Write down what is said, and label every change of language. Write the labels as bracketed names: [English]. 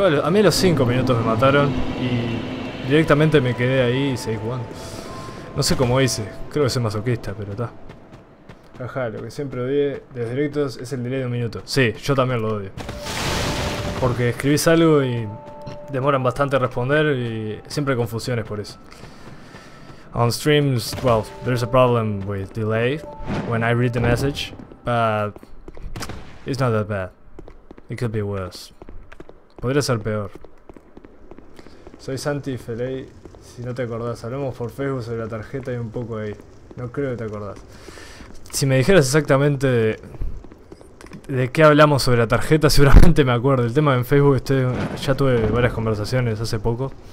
[Spanish] A mí a los 5 minutos me mataron y directamente me quedé ahí y seguí jugando. No sé cómo hice. Creo que soy masoquista, pero está. Ajá, lo que siempre odié de los directos es el delay de un minuto. Sí, yo también lo odio. Porque escribís algo y demoran bastante a responder y siempre hay confusiones por eso. [English] On streams, well, there's a problem with delay when I read the message, but it's not that bad. It could be worse. [Spanish] Podría ser peor. Soy Santi Feley, si no te acordás, hablamos por Facebook sobre la tarjeta y un poco ahí. No creo que te acordás. Si me dijeras exactamente de qué hablamos sobre la tarjeta, seguramente me acuerdo. El tema en Facebook, ya tuve varias conversaciones hace poco.